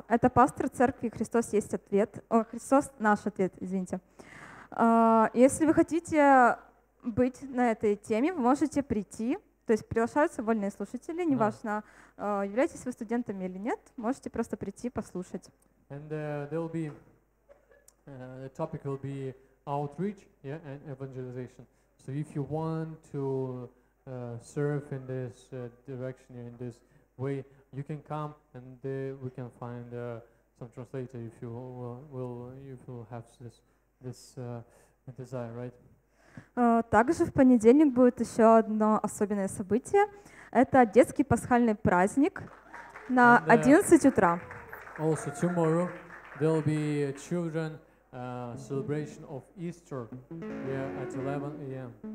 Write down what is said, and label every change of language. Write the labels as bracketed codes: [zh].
[ru] Это пастор церкви «Христос есть ответ». «Христос наш ответ», извините. Если вы хотите быть на этой теме, вы можете прийти. То есть приглашаются вольные слушатели, неважно, являетесь вы студентами или нет, можете просто прийти послушать. [en] And there will be the topic will be outreach, yeah, and evangelization. So if you want to serve in this direction, in this way, you can come and we can find some translator if you will have this desire, right? [ru] Также в понедельник будет еще одно особенное событие. Это детский пасхальный праздник на 11 утра. [en] Also tomorrow there will be a children celebration of Easter here at 11 a.m.